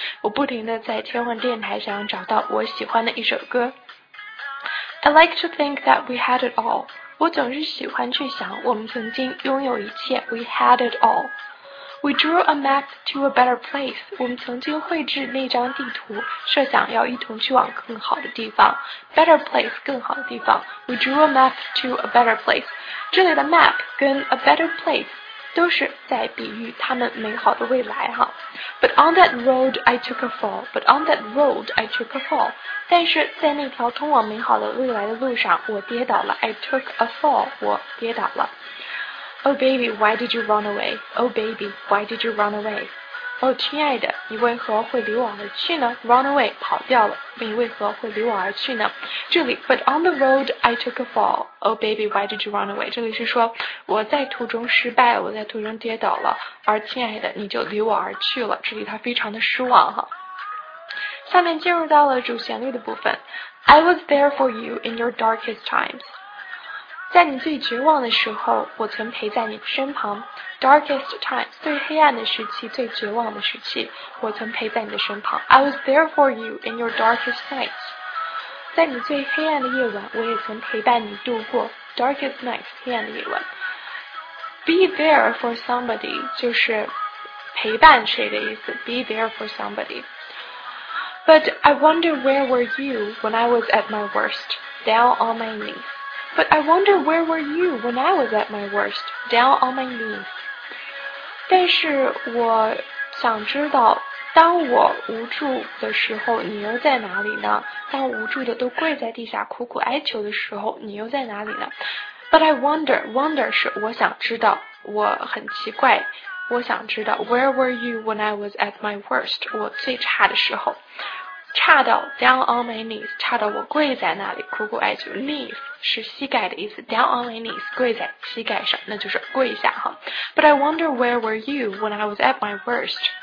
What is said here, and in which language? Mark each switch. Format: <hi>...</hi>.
<zh>我不停地在切换电台，想找到我喜欢的一首歌。</zh> <en>I like to think that we had it all.</en> <zh>我总是喜欢去想我们曾经拥有一切。</zh> <en>We had it all. We drew a map to a better place.</en> <zh>我们曾经绘制那张地图，设想要一同去往更好的地方。</zh> <en>Better place</en> <zh>更好的地方。</zh> <en>We drew a map to a better place.</en> <zh>这里的 map 跟</zh> <en>a better place</en> <zh>都是在比喻他们美好的未来哈。</zh> <en>But on that road I took a fall. But on that road I took a fall.</en> <zh>但是在那条通往美好的未来的路上，我跌倒了。</zh> <en>I took a fall.</en> <zh>我跌倒了。</zh> <en>Oh baby, why did you run away? Oh baby, why did you run away?</en> <zh>Oh 亲爱的，你为何会离我而去呢？</zh> <en>Run away</en> <zh>跑掉了。你为何会离我而去呢？这里</zh> <en>But on the road I took a fall. Oh baby, why did you run away?</en> <zh>这里是说我在途中失败，我在途中跌倒了，而亲爱的，你就离我而去了。这里他非常的失望哈。下面进入到了主旋律的部分。</zh> <en>I was there for you in your darkest times.</en> <zh>在你最绝望的时候，我曾陪在你身旁。</zh> <en>Darkest times,</en> <zh>最黑暗的时期，最绝望的时期，我曾陪在你的身旁。</zh> <en>I was there for you in your darkest nights.</en> <zh>在你最黑暗的夜晚，我也曾陪伴你度过。</zh> <en>Darkest nights,</en> <zh>黑暗的夜晚。</zh> <en>Be there for somebody,</en> <zh>就是陪伴谁的意思。</zh> <en>Be there for somebody. But I wonder where were you when I was at my worst, down on my knees. But I wonder where were you when I was at my worst, down on my knees.</en> <zh>但是我想知道，当我无助的时候，你又在哪里呢？当无助的都跪在地下苦苦哀求的时候，你又在哪里呢？</zh> <en>But I wonder, wonder</en> <zh>是我想知道，我很奇怪。我想知道</zh> <en>Where were you when I was at my worst?</en> <zh>我最差的时候差到</zh> <en>down on my knees</en> <zh>差到我跪在那里苦苦哀求 Knees 是膝盖的意思 down on my knees 跪在膝盖上那就是跪下哈</zh> <en>But I wonder where were you when I was at my worst?</en>